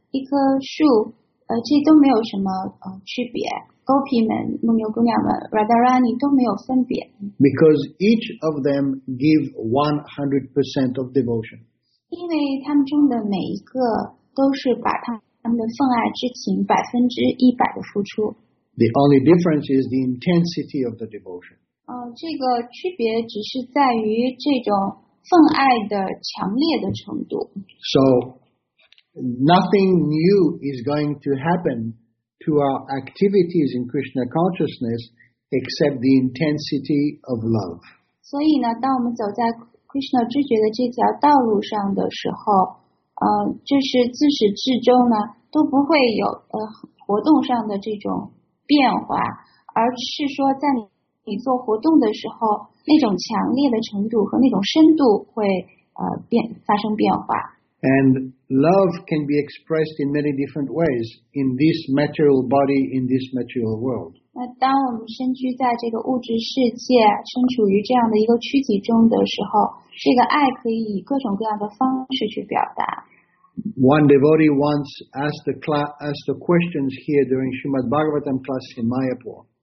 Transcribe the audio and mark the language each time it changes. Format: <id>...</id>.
<zh>一棵树，这都没有什么区别。 Gopi 们、牧牛姑娘们、Radharani 都没有分别。</zh> <en>Because each of them give 100% of devotion.</en> <zh>因为他们中的每一个都是把他们的奉爱之情100%的付出。</zh> <en>The only difference is the intensity of the devotion.</en> <zh>这个区别只是在于这种奉爱的强烈的程度。</zh> <en>So. Nothing new is going to happen to our activities in Krishna consciousness except the intensity of love.</en> <zh>所以呢，当我们走在 Krishna 知觉的这条道路上的时候，就是自始至终呢，都不会有活动上的这种变化，而是说在你你做活动的时候，那种强烈的程度和那种深度会发生变化。</zh> <en>And love can be expressed in many different ways in this material body, in this material world.</en> <zh>那当我们身居在这个物质世界，身处于这样的一个躯体中的时候，这个爱可以以各种各样的方式去表达。</zh> <en>One devotee once asked the questions here during Srimad Bhagavatam class in Mayapur.</en>